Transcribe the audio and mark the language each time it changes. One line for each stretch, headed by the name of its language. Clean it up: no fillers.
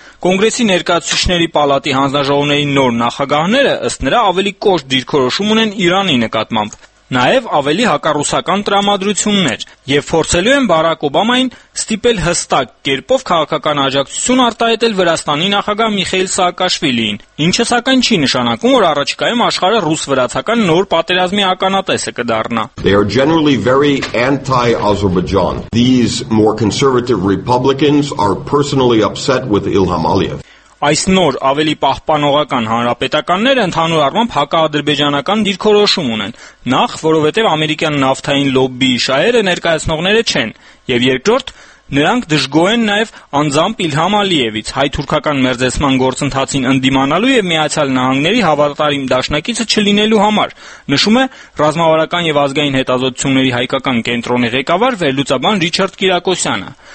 Armenian: Կոնգրեսի ներկայացուցիչների պալատի հանձնաժողովների նոր նախագահները ըստ նրա ավելի կոշտ դիրքորոշում ունեն Իրանի նկատմամբ, նաև ավելի հակառուսական տրամադրություններ, եւ փորձելու են Բարակ Օբամային ստիպել հստակ կերպով քաղաքական աջակցություն արտահայտել Վրաստանի նախագահ Միխայել Սաակաշվիլին, ինչը սակայն չի նշանակում, որ առաջիկայում աշխարհը ռուս-վրացական նոր պատերազմի ականատեսը կդառնա։
English: They are generally very anti-Azerbaijan. These more conservative Republicans are personally upset with Ilham Aliyev.
Armenian: Այս նոր ավելի պահպանողական հանրապետականները ընդհանուր առմամբ հակաադրբեջանական դիրքորոշում ունեն, նախ, որովհետև ամերիկյան նավթային լոբբիի շահերը ներկայացնողները չեն, եւ երկրորդ, նրանք դժգոհեն նաեւ անձամբ Իլհամ Ալիևից հայ-թուրքական մերձեցման գործընթացին ընդդիմանալու եւ Միացյալ Նահանգների հավատարիմ դաշնակիցը չլինելու համար, նշում է ռազմավարական եւ ազգային հետազոտությունների հայկական կենտրոնի ղեկավար վերլուծաբան Ռիչարդ Կիրակոսյանը։